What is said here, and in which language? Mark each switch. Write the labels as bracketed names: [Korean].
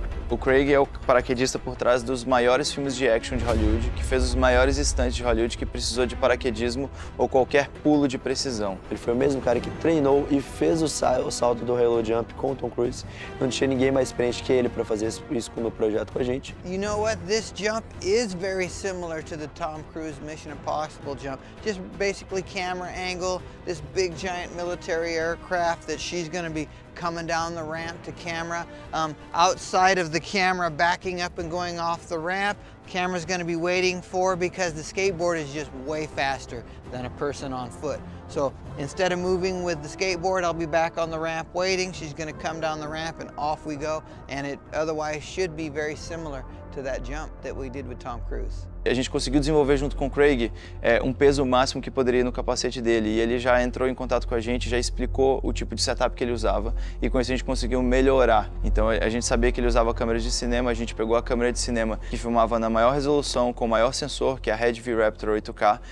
[Portuguese] O Craig é o paraquedista por trás dos maiores filmes de action de Hollywood, que fez os maiores stunts de Hollywood, que precisou de paraquedismo ou qualquer pulo de precisão. Ele foi o mesmo cara que treinou e fez o salto do Halo Jump com o Tom Cruise. Não tinha ninguém mais experiente que ele para fazer isso no projeto com a gente. [English] You know what? This jump is very similar to the Tom Cruise Mission Impossible jump. Just basically camera angle, this big giant military aircraft that she's going to be coming down the ramp to camera, outside of the camera, backing up and going off the ramp. Camera's gonna be waiting for, because the skateboard is just way faster than a person on foot. So instead of moving with the skateboard, I'll be back on the ramp waiting. She's gonna come down the ramp and off we go. And it otherwise should be very similar to that jump that we did with Tom Cruise. [Portuguese] A gente conseguiu desenvolver junto com o Craig um peso máximo que poderia ir no capacete dele. E ele já entrou em contato com a gente, já explicou o tipo de setup que ele usava. E com isso a gente conseguiu melhorar. Então a gente sabia que ele usava câmeras de cinema, a gente pegou a câmera de cinema que filmava na maior resolução, com o maior sensor, que é a Red V Raptor 8K.